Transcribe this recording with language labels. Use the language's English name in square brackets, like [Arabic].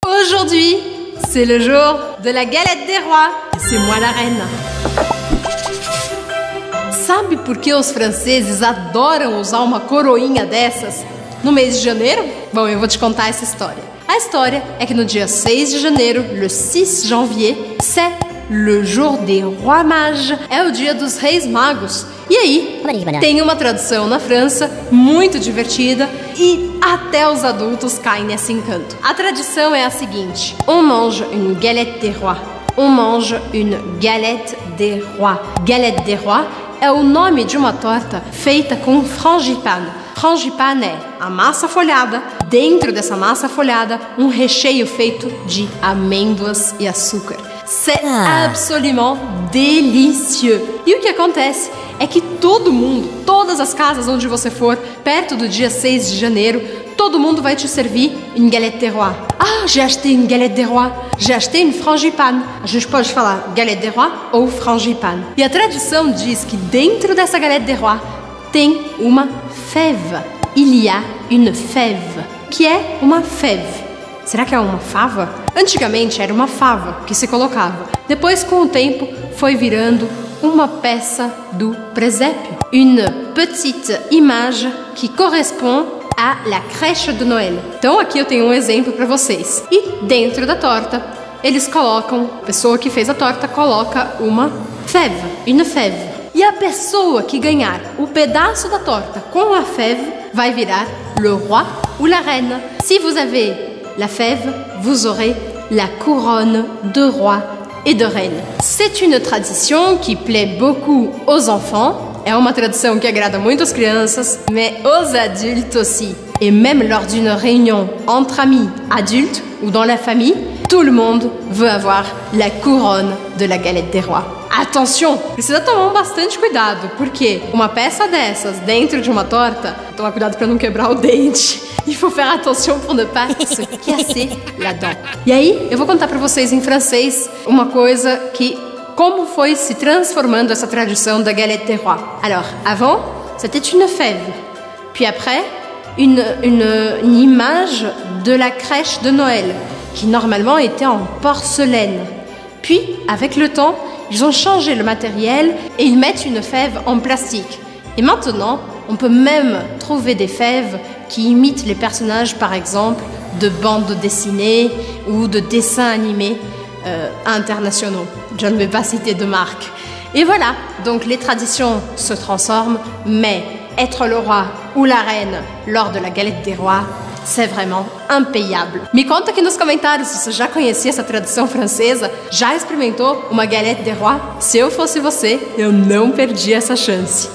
[French] Aujourd'hui, c'est le jour de la galette des rois. C'est moi la reine. [Portuguese] Sabe por que os franceses adoram usar uma coroinha dessas no mês de janeiro? Bom, eu vou te contar essa história. A história é que no dia 6 de janeiro, [French] le 6 janvier, c'est le jour des rois mages. [Portuguese] É o dia dos reis magos. E aí, tem uma tradição na França muito divertida e até os adultos caem nesse encanto. A tradição é a seguinte: [French] on mange une galette des rois. On mange une galette des rois. [Portuguese] Galette des rois é o nome de uma torta feita com frangipane. Frangipane é a massa folhada. Dentro dessa massa folhada, um recheio feito de amêndoas e açúcar. [French] C'est absolument délicieux. [Portuguese] E o que acontece é que todo mundo, todas as casas onde você for, perto do dia 6 de janeiro, todo mundo vai te servir une galette des rois. [French] Ah, j'ai acheté une galette des rois. J'ai acheté une frangipane. [Portuguese] A gente pode falar galette des rois ou frangipane. E a tradição diz que dentro dessa galette des rois tem uma fève. [French] Il y a une fève. [Portuguese] Que é uma fève. Será que é uma fava? Antigamente era uma fava que se colocava. Depois, com o tempo, foi virando uma peça do presépio. [French] Une petite image qui correspond à la crèche de Noël. [Portuguese] Então aqui eu tenho um exemplo para vocês. E dentro da torta, eles colocam, a pessoa que fez a torta coloca uma fève, une fève. E a pessoa que ganhar o pedaço da torta com a fève vai virar le roi ou la reine. [French] Si vous avez la fève, vous aurez la couronne de roi et de reine. C'est une tradition qui plaît beaucoup aux enfants. [Portuguese] É uma tradição que agrada muito às crianças, [French] mais aux adultes aussi. Et même lors d'une réunion entre amis adultes ou dans la famille, tout le monde veut avoir la couronne de la galette des rois. [Portuguese] Attention, precisa tomar bastante cuidado, porque uma peça dessas dentro de uma torta, toma cuidado para não quebrar o dente. [French] Il faut faire attention pour ne pas se casser la dent. [Portuguese] E aí, eu vou contar para vocês em francês uma coisa que como foi se transformando essa tradição da galette des rois. [French] Alors, avant, c'était une fève. Puis après, une image de la crèche de Noël qui normalement était en porcelaine. Puis avec le temps, ils ont changé le matériel et ils mettent une fève en plastique. Et maintenant, on peut même trouver des fèves qui imitent les personnages, par exemple, de bandes dessinées ou de dessins animés internationaux. Je ne vais pas citer de marques. Et voilà, donc les traditions se transforment, mais être le roi ou la reine lors de la galette des rois, c'est vraiment impayable. [Portuguese] Me conta aqui nos comentários se você já conhecia essa tradição francesa, já experimentou uma galette des rois. Se eu fosse você, eu não perdi essa chance.